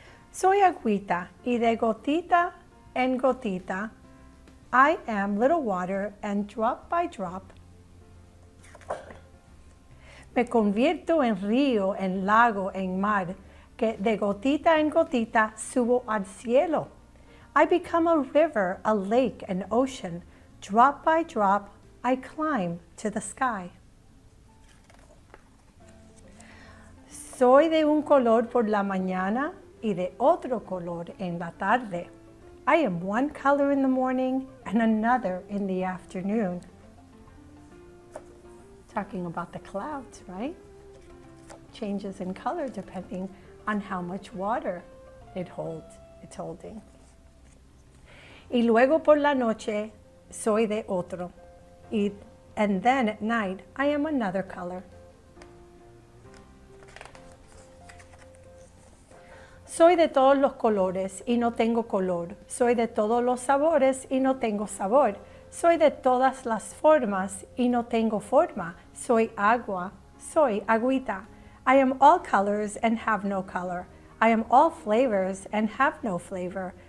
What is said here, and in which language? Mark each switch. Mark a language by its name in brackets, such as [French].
[Spanish] Soy agüita, y de gotita en gotita, I am little water, and drop by drop, me convierto en río, en lago, en mar, que de gotita en gotita subo al cielo. [English] I become a river, a lake, an ocean. Drop by drop, I climb to the sky. [Spanish] Soy de un color por la mañana y de otro color en la tarde. [English] I am one color in the morning and another in the afternoon. Talking about the clouds, right? Changes in color depending on how much water it holds, it's holding. [Spanish] Y luego por la noche, soy de otro. [English] And then at night, I am another color. [Spanish] Soy de todos los colores y no tengo color. Soy de todos los sabores y no tengo sabor. Soy de todas las formas y no tengo forma. Soy agua, soy agüita. [English] I am all colors and have no color. I am all flavors and have no flavor.